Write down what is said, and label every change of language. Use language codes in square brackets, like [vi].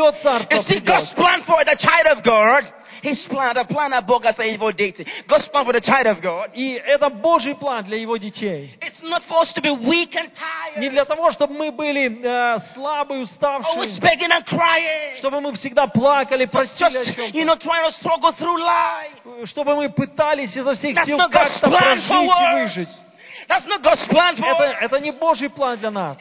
[en] You see, God's plan for the child of God. His plan, the plan of God for evil dating. God's plan for the child of God. [ru] И это Божий план для его детей. [en] It's not for us to be weak and tired. [ru] Не для того, чтобы мы были слабые, уставшие. [en] Always begging and crying. [ru] Чтобы мы всегда плакали, просили о чем-то. [en] You know, trying to struggle through life. [ru] Чтобы мы пытались изо всех сил как-то прожить и выжить. [en] That's not God's plan for us. [ru] Это не Божий план для нас.